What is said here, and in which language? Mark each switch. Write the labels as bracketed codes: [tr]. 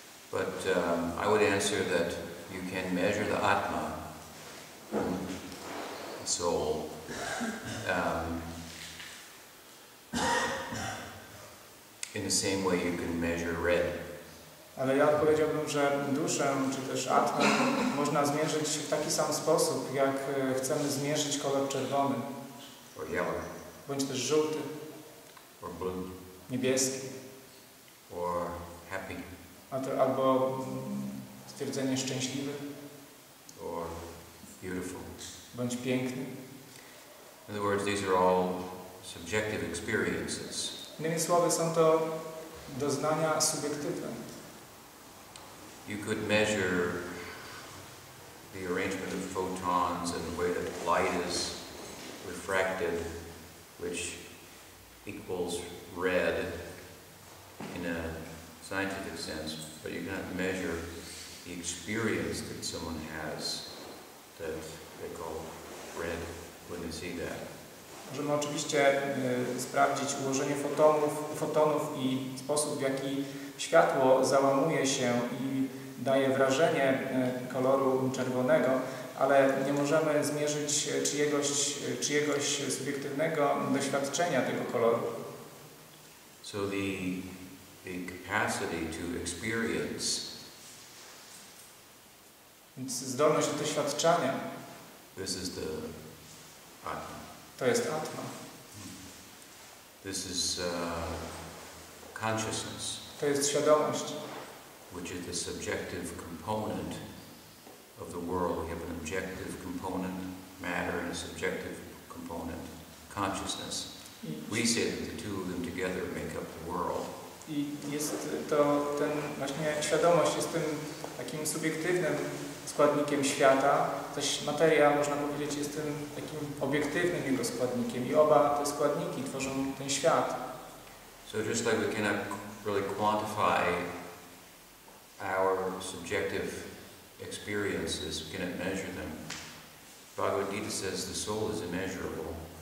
[en] But I would answer that you can measure the atma, soul, in the same way you can measure red. [pl] Ale ja odpowiedziałbym, że duszę, czy też atmę, można zmierzyć w taki sam sposób, jak chcemy zmierzyć kolor czerwony. [en] Or yellow. [pl] Bądź też żółty. [en] Or blue. [pl] Niebieski. [en] Or happy. [pl] Albo stwierdzenie szczęśliwy. [en] Or beautiful. [pl] Bądź piękny. [en] In other words, these are all subjective experiences. [pl] Innymi słowy, są to doznania subiektywne. [en] You could measure the arrangement of photons and the way that light is refracted, which equals red in a scientific sense, but you cannot measure the experience that someone has that they call red when they see that. [pl] Możemy oczywiście sprawdzić ułożenie fotonów i sposób, w jaki światło załamuje się i daje wrażenie koloru czerwonego, ale nie możemy zmierzyć czyjegoś subiektywnego doświadczenia tego koloru. [en] So the capacity to experience. [pl] Więc zdolność do doświadczania. [en] This is the atma. [pl] To jest atma. [en] This is consciousness. [pl] To jest świadomość. [en] Which is the subjective component of the world. We have an objective component, matter, and a subjective component, consciousness. We say that the two of them together make up the world. [pl] I jest to ten właśnie świadomość, jest tym takim subiektywnym składnikiem świata. Też materia, można powiedzieć, jest tym takim obiektywnym jego składnikiem. I oba te składniki tworzą ten świat. [en] So just like we cannot really quantify our subjective experiences, we cannot measure them. Bhagavad Gita says the soul is immeasurable.